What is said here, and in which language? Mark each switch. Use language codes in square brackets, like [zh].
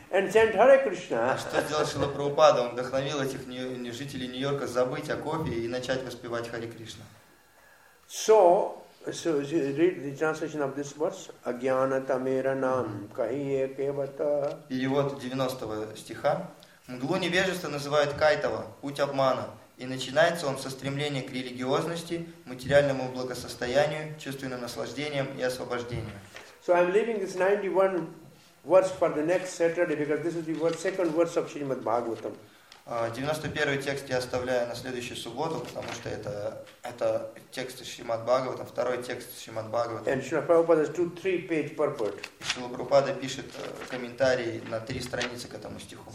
[en] And sent Hare Krishna. [ru] А что сделал Шрила Прабхупада? Он вдохновил этих жителей Нью-Йорка забыть о кофе и начать воспевать Харе Кришна. [en] So read the translation of this verse. [bn] Агьяната мера нам кайе кевата. [ru] Перевод 90 стиха. Мглу невежества называют кайтава, путь обмана. И начинается он со стремления к религиозности, материальному благосостоянию, чувственным наслаждениям и освобождению. [en] So I'm leaving this 91 verse for the next Saturday because this is the second verse of Shrimad Bhagavatam. [ru] 91 текст я оставляю на следующую субботу, потому что это текст Шримад Бхагаватам, второй текст Шримад Бхагаватам. [en] And Shrimad Prabhupada has 2-3 page purport. [ru] Шрила Прабхупада пишет комментарий на 3 страницы к этому стиху.